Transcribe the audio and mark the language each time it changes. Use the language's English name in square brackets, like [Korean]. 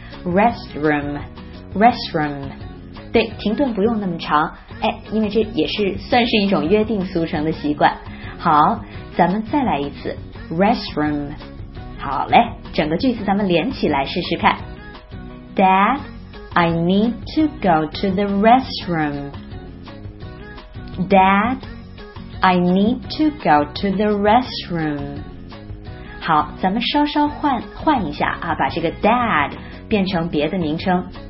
[Chinese] Restroom， Restroom， 对，停顿不用那么长。哎，因为这也是算是一种约定俗成的习惯。好，咱们再来一次 restroom。好嘞，整个句子咱们连起来试试看。 [English] Dad, I need to go to the restroom. Dad, I need to go to the restroom. [Chinese] 好，咱们稍稍换一下啊，把这个 dad 变成别的名称。